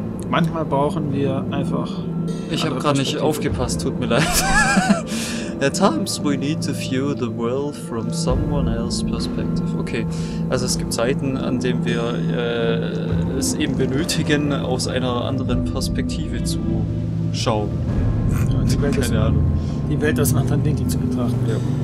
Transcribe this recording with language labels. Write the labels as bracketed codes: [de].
[de] Manchmal brauchen wir einfach. Ich habe gerade nicht aufgepasst, tut mir leid. [en] At times we need to view the world from someone else's perspective. [de] Okay, also es gibt Zeiten, an denen wir es eben benötigen, aus einer anderen Perspektive zu schauen. Ja, die Welt keine Ahnung. Die Welt aus einem anderen Winkel zu betrachten. Ja.